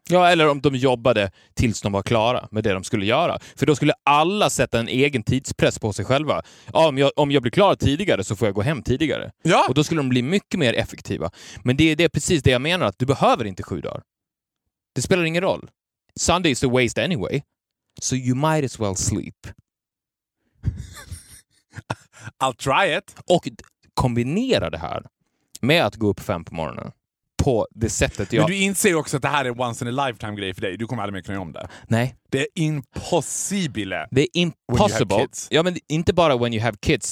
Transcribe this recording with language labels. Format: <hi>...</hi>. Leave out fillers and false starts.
<sv>Ja, eller om de jobbade tills de var klara med det de skulle göra. För då skulle alla sätta en egen tidspress på sig själva. Ja, om jag blir klar tidigare så får jag gå hem tidigare. Ja. Och då skulle de bli mycket mer effektiva. Men det är precis det jag menar, att du behöver inte 7 dagar. Det spelar ingen roll.</sv> <en>Sunday is a waste anyway. So you might as well sleep. I'll try it.</en> <sv>Och kombinera det här med att gå upp 5 på morgonen. på det sättet jag... Men du inser också att det här är</sv> <en>once in a lifetime</en> <sv>grej för dig. Du kommer aldrig mer kunna göra om det. Nej. Det är impossible. Det är impossible. Ja, men inte bara</sv> <en>when you have kids.</en>